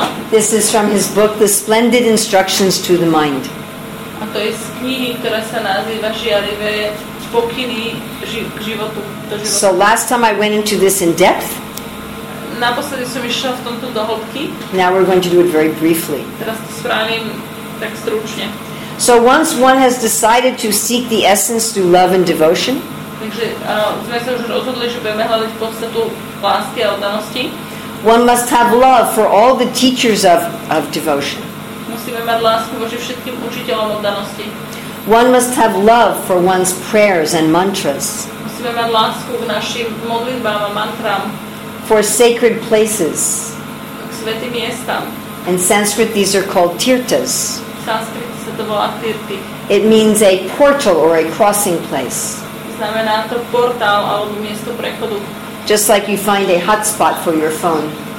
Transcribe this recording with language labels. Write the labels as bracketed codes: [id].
[en] This is from his book, The Splendid Instructions to the Mind. [sk] A to je z knihy, ktorá sa nazýva Žiarivé pokyny životu. [en] So last time I went into this in depth. [sk] Naposledy som išla v tomto do hĺbky. [en] Now we're going to do it very briefly. [sk] Teraz to spravím tak stručne. [en] So once one has decided to seek the essence through love and devotion. [sk] Takže sme sa už rozhodli, že budeme hľadať podstatu lásky a oddanosti. [en] One must have love for all the teachers of devotion. [sk] Musíme mať lásku voči všetkým učiteľom oddanosti. [en] One must have love for one's prayers and mantras. [sk] Musíme mať lásku k našim modlitbám a mantram. [en] For sacred places. [sk] K svätým miestam. [en] In Sanskrit these are called tirthas. [sk] Sanskrit sa to volá tirthi. [en] It means a portal or a crossing place. [sk] Znamená to portál alebo miesto prechodu. [en] Just like you find a hotspot for your phone.